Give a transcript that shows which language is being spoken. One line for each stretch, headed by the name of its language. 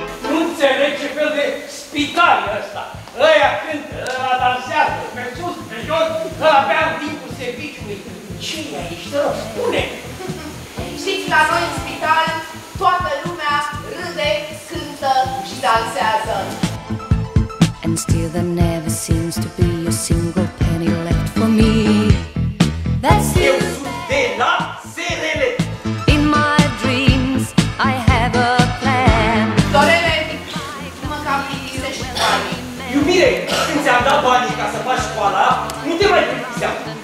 Romanian: Nu înțeleg ce fel de spital e ăsta. Ăia cântă, ăla dansează, pe sus, pe jos, ăla bea un timp cu serviciului. Cine ești, te rog, spune! Știți, la noi în spital, toată lumea râde, cântă și dansează.
English: And still there never seems to be a single penny left for me. That's you.
Romanian: Eu sunt de la SRL.
English: In my dreams, I have a plan.
Romanian: Dorele, mă cam plictisești cu banii. Iubire, când ți-am dat banii ca să faci școala, nu te mai plictiseam.